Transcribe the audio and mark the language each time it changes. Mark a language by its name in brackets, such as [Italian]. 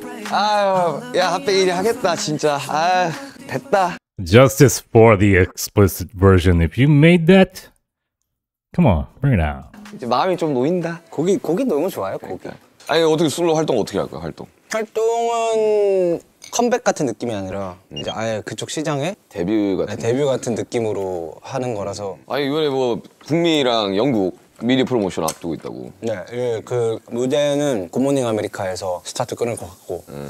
[Korean] 아유 야 핫백 1위 하겠다 진짜. 아유 됐다. [English] Justice for the explicit version. If you made that, come on, bring it out. [Korean] 이제 마음이 좀 놓인다. 곡이 너무 좋아요. 그러니까. 곡이. 아니 어떻게 솔로 활동 어떻게 할 거야 활동? 활동은 컴백 같은 느낌이 아니라 이제 아예 그쪽 시장에 데뷔 같은 네, 데뷔 같은 느낌으로 하는 거라서. 아니 이번에 뭐 북미랑 영국 미리 프로모션 앞두고 있다고. 네, 예, 그 무대는 굿모닝 아메리카에서 스타트 끊을 것 같고.